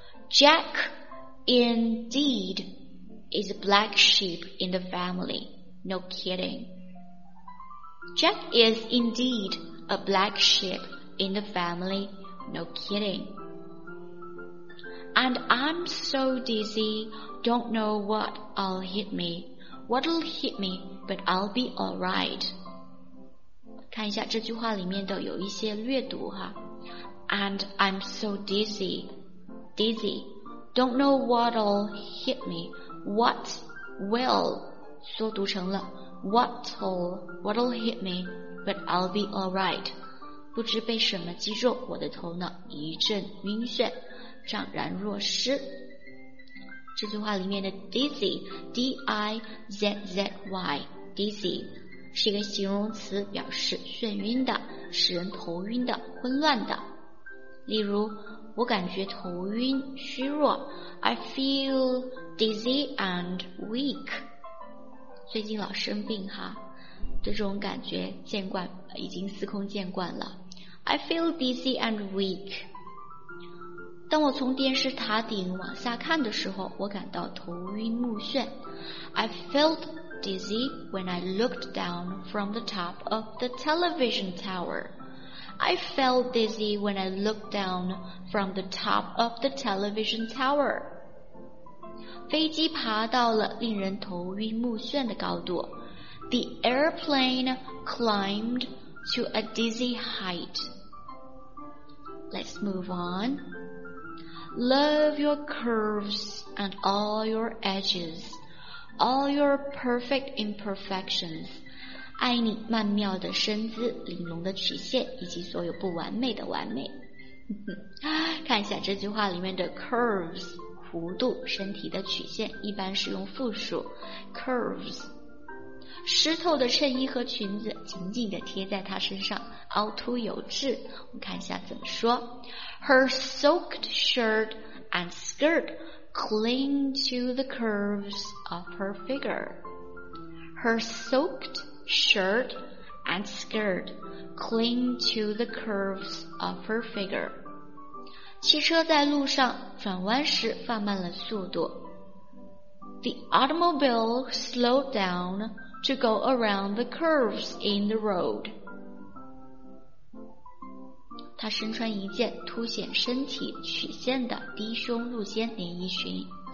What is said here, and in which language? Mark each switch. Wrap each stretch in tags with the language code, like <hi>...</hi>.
<en>Jack indeed is a black sheep in the family. No kidding. Jack is indeed a black sheep in the family. No kidding. And I'm so dizzy, don't know what'll hit me. What'll hit me, but I'll be alright.</en> <zh>看一下这句话里面的有一些略读哈。</zh> <en>And I'm so dizzy, dizzy, don't know what'll hit me, what will,</en> <zh>缩读成了</zh> <en>what'll hit me, but I'll be alright,</en> <zh>不知被什么击中我的头脑一阵晕眩，怅然若失。这句话里面的 dizzy, D-I-Z-Z-Y, dizzy,是一个形容词，表示眩晕的，使人头晕的，混乱的。例如，我感觉头晕虚弱，</zh> <en>I feel dizzy and weak.</en> <zh>最近老生病哈，这种感觉见惯，已经司空见惯了。</zh> <en>I feel dizzy and weak.</en> <zh>当我从电视塔顶往下看的时候，我感到头晕目眩。</zh> <en>I feltDizzy when I looked down from the top of the television tower. I felt dizzy when I looked down from the top of the television tower. 飞机爬到了令人头晕目眩的高度。 The airplane climbed to a dizzy height. Let's move on. Love your curves and all your edges, all your perfect imperfections.</en> <zh>爱你曼妙的身姿，玲珑的曲线，以及所有不完美的完美。看一下这句话里面的 curves 弧度，身体的曲线，一般是用复数 curves。湿透的衬衣和裙子紧紧地贴在她身上，凹凸有致。我们看一下怎么说。</zh> <en>Her soaked shirt and skirt cling to the curves of her figure. Her soaked shirt and skirt cling to the curves of her figure.</en> <zh>汽车在路上转弯时放慢了速度。</zh> <en>The automobile slowed down. To go around the curves in the road.</en> <zh>他身穿一件凸显身体曲线的低胸露肩连衣裙。</zh>